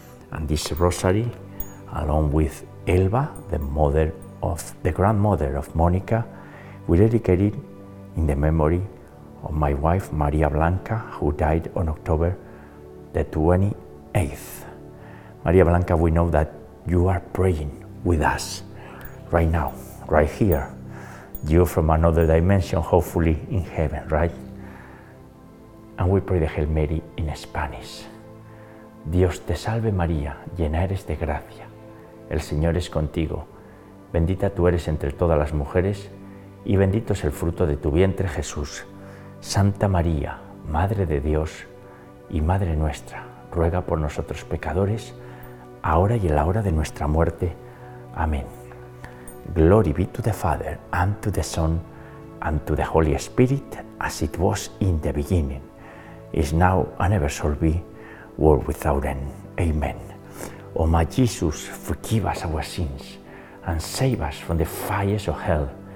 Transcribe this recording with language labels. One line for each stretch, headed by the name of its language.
English: And this rosary, along with Elba, the mother of the grandmother of Monica, we dedicate it in the memory of my wife Maria Blanca, who died on October the 28th. Maria Blanca, we know that you are praying with us right now, right here. You from another dimension, hopefully in heaven, right? And we pray the Hail Mary in Spanish.
Spanish: Dios te salve María, llena eres de gracia. El Señor es contigo, bendita tú eres entre todas las mujeres y bendito es el fruto de tu vientre, Jesús. Santa María, Madre de Dios y Madre nuestra, ruega por nosotros pecadores, ahora y en la hora de nuestra muerte. Amén.
English: Glory be to the Father, and to the Son, and to the Holy Spirit, as it was in the beginning, is now, and ever shall be, world without end. Amen. O my Jesus, forgive us our sins, and save us from the fires of hell.